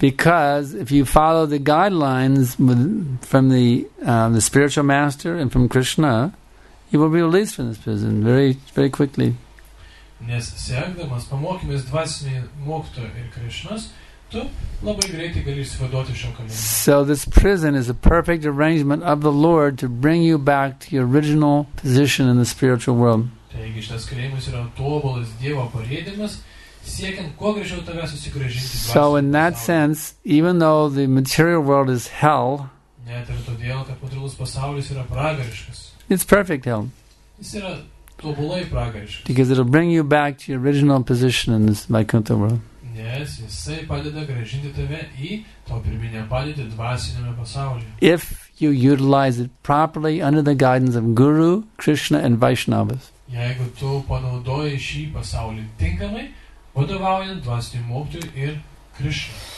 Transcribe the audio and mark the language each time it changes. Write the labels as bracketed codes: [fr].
[en] Because if you follow the guidelines from the spiritual master and from Krishna, you will be released from this prison very, very quickly. [lt] Nes sekdamas pamokymės dvasinį mokytoją ir Krishnas, tu labai greitai gali išsivaduoti šio kalėjimo. [en] So this prison is a perfect arrangement of the Lord to bring you back to your original position in the spiritual world. [lt] Taigi šitas kalėjimas yra tobulas Dievo parėdimas, siekiant kuo greičiau tave susigražinti. [en] So in that sense, even though the material world is hell, [lt] net ir todėl, kad materialus pasaulis yra pragariškas, [en] it's perfect hell. [lt] Jis yra tobulai pragariškas. [en] Because it'll bring you back to your original position in this Vaikuntha world. [lt] Nes jisai padeda gražinti tave į tavo pirminę padėtį dvasiniame pasaulyje. [en] If you utilize it properly under the guidance of Guru, Krishna and Vaishnavas. [lt] Jeigu tu panaudoji šį pasaulį tinkamai, vadovaujant dvasiniu mokytoju ir Krishna.